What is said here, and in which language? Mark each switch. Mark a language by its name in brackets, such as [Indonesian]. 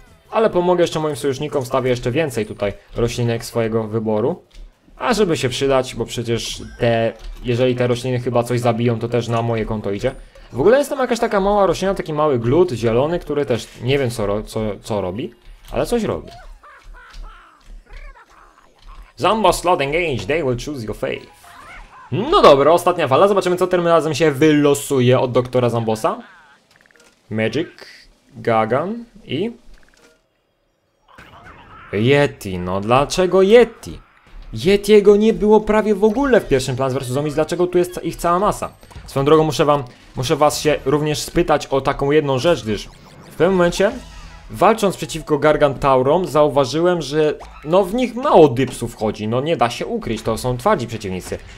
[Polish] Ale pomogę jeszcze moim sojusznikom, wstawię jeszcze więcej tutaj roślinek swojego wyboru. A żeby się przydać, bo przecież jeżeli te rośliny chyba coś zabiją, to też na moje konto idzie. W ogóle jest tam jakaś taka mała roślina, taki mały glut zielony, który też nie wiem co robi, ale coś robi. [English] Zombo slot engage, they will choose your faith. [Polish] No dobra, ostatnia fala. Zobaczymy, co tym razem się wylosuje od doktora Zombosa. Magic, Gagan i... Yeti, no dlaczego Yeti? Yetiego nie było prawie w ogóle w pierwszym Plants vs. Zombies, dlaczego tu jest ich cała masa? Swoją drogą muszę was się również spytać o taką jedną rzecz, gdyż w pewnym momencie, walcząc przeciwko Gargantaurom, zauważyłem, że no w nich mało dypsów chodzi, no nie da się ukryć, to są twardzi przeciwnicy.